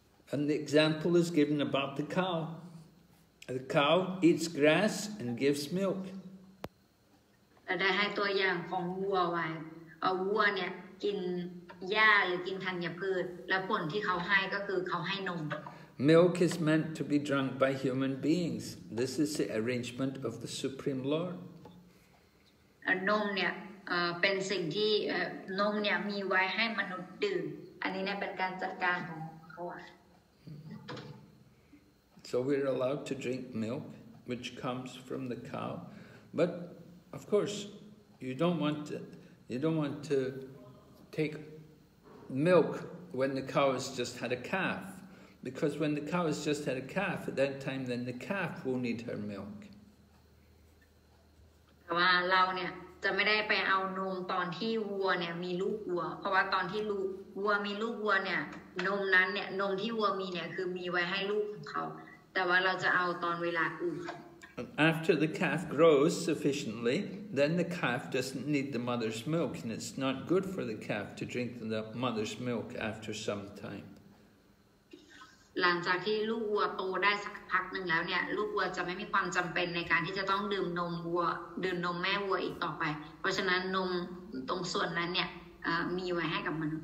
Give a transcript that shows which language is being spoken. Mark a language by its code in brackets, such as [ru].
[en] And the example is given about the cow. The cow eats grass and gives milk. [th] ได้ให้ตัวอย่างของวัวไว้วัวเนี่ยกินหญ้าหรือกินธัญพืชและผลที่เขาให้ก็คือเขาให้นม [en] Milk is meant to be drunk by human beings. This is the arrangement of the Supreme Lord. [th] นมเนี่ยเป็นสิ่งที่นมเนี่ยมีไว้ให้มนุษย์ดื่มอันนี้เนี่ยเป็นการจัดการของเขา [en] So we're allowed to drink milk which comes from the cow. But of course you don't want to take milk when the cow has just had a calf because when the cow has just had a calf at that time then the calf will need her milk [th] แต่ว่าเราเนี่ยจะไม่ได้ไปเอานมตอนที่วัวเนี่ยมีลูกวัวเพราะว่าตอนที่ลูกวัวมีลูกวัวเนี่ยนมนั้นเนี่ยนมที่วัวมีเนี่ยคือมีไว้ให้ลูกของเขาแต่ว่าเราจะเอาตอนเวลาอื่น [en] After the calf grows sufficiently then the calf doesn't need the mother's milk and it's not good for the calf to drink the mother's milk after some time [th] หลังจากที่ลูกวัวโตได้สักพักนึงแล้วเนี่ยลูกวัวจะไม่มีความจําเป็นในการที่จะต้องดื่มนมวัวดื่มนมแม่วัวอีกต่อไปเพราะฉะนั้นนมตรงส่วนนั้นเนี่ยมีไว้ให้กับมนุษย